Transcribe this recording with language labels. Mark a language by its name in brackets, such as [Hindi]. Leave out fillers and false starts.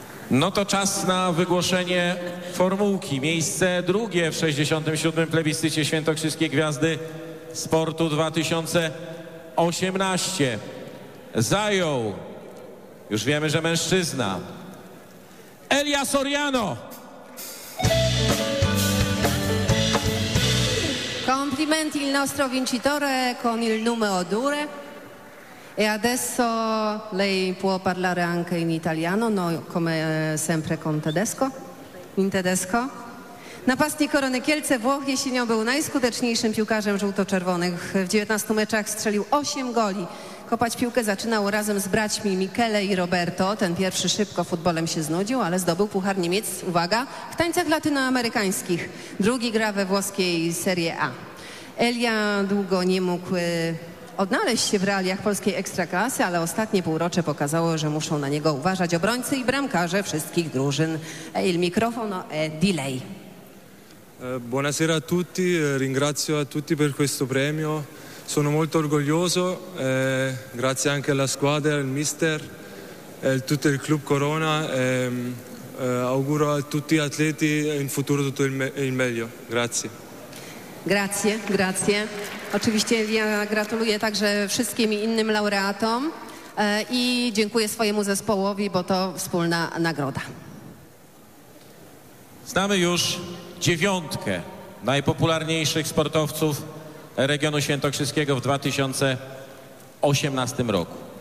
[Polish] No to czas na wygłoszenie formułki. Miejsce drugie w 67. plebiscycie świętokrzyskiej gwiazdy sportu 2018. Zajął, już wiemy, że mężczyzna, Elia Soriano. [Italian] Complimenti il nostro vincitore con il nome odore. E adesso lei può parlare anche in italiano, no, come sempre con tedesco. In tedesco. [Polish] Napastnik Korony Kielce, Włoch, jesienią był najskuteczniejszym piłkarzem żółto-czerwonych. W 19 meczach strzelił 8 goli. Kopać piłkę zaczynał razem z braćmi Michele i Roberto. Ten pierwszy szybko futbolem się znudził, ale zdobył Puchar Niemiec, uwaga, w tańcach latynoamerykańskich. Drugi gra we włoskiej Serie A. Elia długo nie mógł odnaleźć się w realiach polskiej ekstraklasy, ale ostatnie półrocze pokazało, że muszą na niego uważać obrońcy i bramkarze wszystkich drużyn. [Italian] Il microfono è di lei. Buonasera a tutti, ringrazio a tutti per questo premio. Sono molto orgoglioso, grazie anche alla squadra, al mister, e tutto il club Corona. Auguro a tutti gli atleti in futuro tutto il meglio. Grazie. Grazie, grazie. [Polish] Oczywiście ja gratuluję także wszystkim innym laureatom i dziękuję swojemu zespołowi, bo to wspólna nagroda. Znamy już dziewiątkę najpopularniejszych sportowców regionu świętokrzyskiego w 2018 roku.